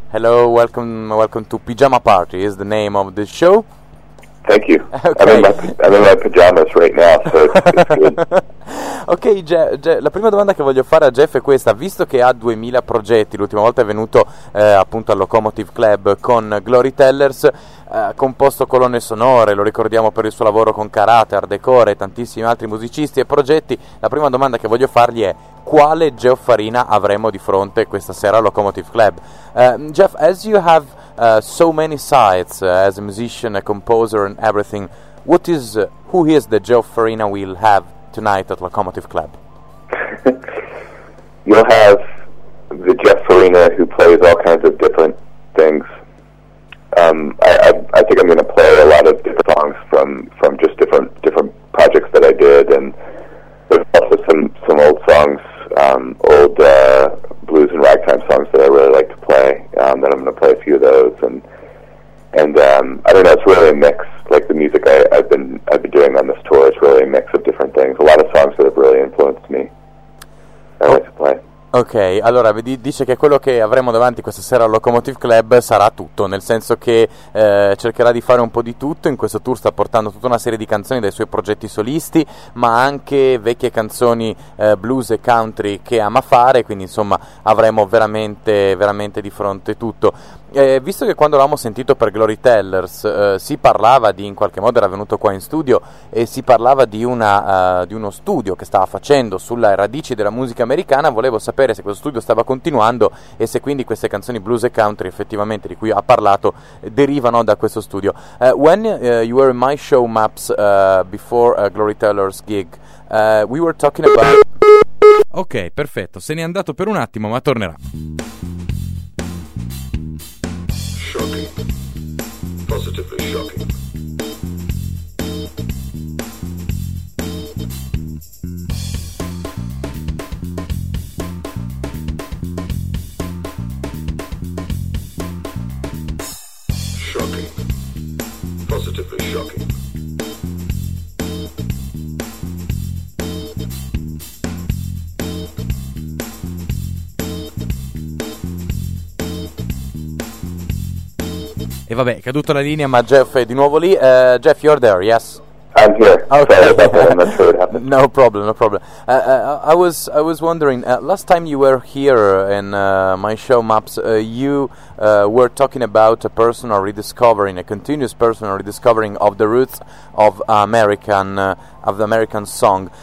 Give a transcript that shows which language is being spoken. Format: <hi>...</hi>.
<en>Hello, welcome to Pyjama Party is the name of the show. Thank you. Okay. I'm in my pajamas right now, so it's good.</en> <it>Okay, la prima domanda che voglio fare a Jeff è questa. Visto che ha 2000 progetti, l'ultima volta è venuto appunto al Locomotive Club con Glory Tellers, ha composto colonne sonore, lo ricordiamo per il suo lavoro con Karate, Hardcore e tantissimi altri musicisti e progetti, la prima domanda che voglio fargli è: quale Geoff Farina avremo di fronte questa sera al Locomotive Club?</it> <en>Jeff, as you have so many sides as a musician, a composer and everything, who is the Geoff Farina we'll have tonight at Locomotive Club? You'll have the Geoff Farina who plays all kinds of different things. I think I'm going to play a lot of different songs from just different projects that I did, and there's also some old songs. Old blues and ragtime songs that I really like to play. Then I'm going to play a few of those, and I don't know. It's really a mix. Like the music I've been doing on this tour, it's really a mix of different things. A lot of songs that have really influenced me. I like to play.</en> <it>Ok, allora dice che quello che avremo davanti questa sera al Locomotive Club sarà tutto, nel senso che cercherà di fare un po' di tutto. In questo tour sta portando tutta una serie di canzoni dai suoi progetti solisti, ma anche vecchie canzoni blues e country che ama fare, quindi insomma avremo veramente, veramente di fronte tutto. Visto che quando l'avevamo sentito per Glory Tellers si parlava di, in qualche modo era venuto qua in studio e si parlava di uno studio che stava facendo sulle radici della musica americana, volevo sapere se questo studio stava continuando e se quindi queste canzoni blues e country effettivamente di cui ha parlato derivano da questo studio.</it> <en>When you were in my show Maps before Glory Tellers gig, we were talking about...</en> <it>Ok, perfetto, se n'è andato per un attimo ma tornerà.</it> <en>Shocking. Positively shocking. Shocking. Positively shocking.</en> <it>E vabbè, è caduto la linea, ma Jeff è di nuovo lì.</it> <en>Jeff, you're there, yes? I'm here. Okay. Sorry about that. I'm not sure what happened. No problem. I was wondering, last time you were here in my show Maps, you were talking about a personal rediscovering, a continuous personal rediscovering of the roots of American song.</en>